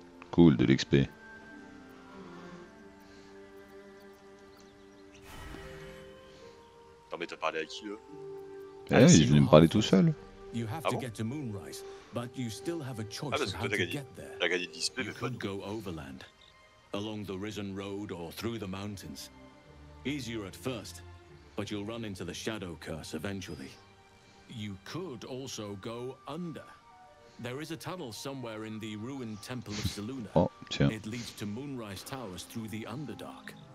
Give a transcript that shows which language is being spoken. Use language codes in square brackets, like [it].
[fr] Cool, de l'XP. Non mais t'as parlé à qui eux? Eh, il venait me parler tout seul. [en] You have to get to Moonrise, but you still have a choice of how to get there. [fr] Ah, parce que toi t'as gagné de l'XP, mais pas [en] go overland. Along the risen road or through the mountains. Easier at first, but you'll run into the shadow curse eventually. You could also go under. There is a tunnel somewhere in the ruined temple of Saluna. It leads to Moonrise Towers through the Underdark.